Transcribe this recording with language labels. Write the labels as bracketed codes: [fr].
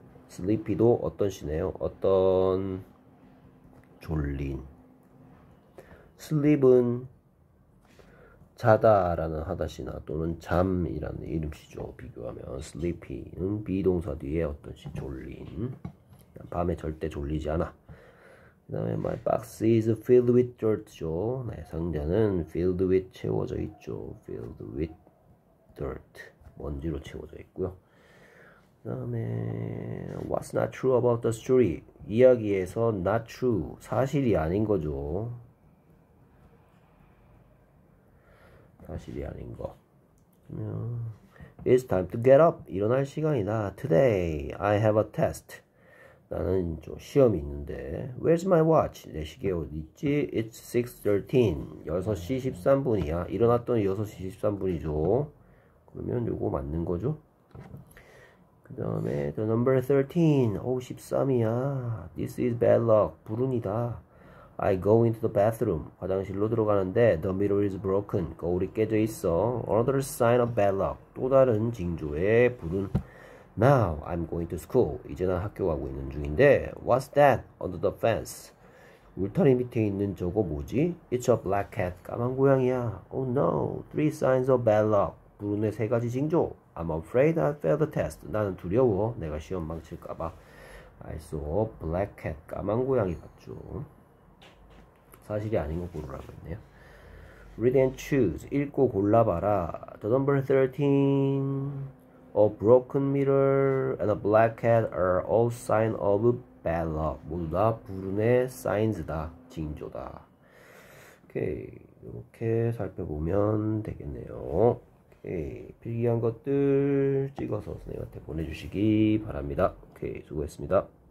[ko] Sleepy도 어떤 시네요? 어떤 졸린. 슬립은 자다라는 하다시나 또는 잠이라는 이름시죠. 비교하면 슬리피는 비동사 뒤에 어떤 시 졸린, 밤에 절대 졸리지 않아. 그 다음에 [en] my box is filled with dirt죠. [ko] 나의 상자는 [en] filled with [ko] 채워져 있죠. [en] filled with dirt, [ko] 먼지로 채워져 있고요. 그 다음에 [en] what's not true about the story? [ko] 이야기에서 not true, 사실이 아닌 거죠. 사실이 아닌 거. [en] It's time to get up. [ko] 일어날 시간이다. [en] Today I have a test. [ko] 나는 좀 시험이 있는데. [en] Where's my watch? [ko] 내 시계 어디 있지? [en] It's 6:13. [ko] 6시 13분이야. 일어났더니 6시 13분이죠. 그러면 요거 맞는 거죠? 그 다음에 [en] the number 13. 오, 13이야. This is bad luck. [ko] 불운이다. [en] I go into the bathroom. [ko] 화장실로 들어가는데 [en] the mirror is broken. [ko] 거울이 깨져 있어. [en] Another sign of bad luck. [ko] 또 다른 징조의 불운. [en] Now I'm going to school. [ko] 이제 난 학교 가고 있는 중인데 [en] What's that under the fence? [ko] 울타리 밑에 있는 저거 뭐지? [en] It's a black cat. [ko] 까만 고양이야. [en] Oh no. Three signs of bad luck. [ko] 불운의 세 가지 징조. [en] I'm afraid I'll fail the test. [ko] 나는 두려워. 내가 시험 망칠까 봐. [en] I saw black cat. [ko] 까만 고양이 봤죠. 사실이 아닌 거 고르라고 했네요. [en] Read and choose. [ko] 읽고 골라봐라. [en] The number 13, a broken mirror, and a black cat are all signs of bad luck. [ko] 모두 다 불운의 signs다. 징조다. 오케이. 이렇게 살펴보면 되겠네요. 오케이. 필기한 것들 찍어서 선생님한테 보내주시기 바랍니다. 오케이. 수고했습니다.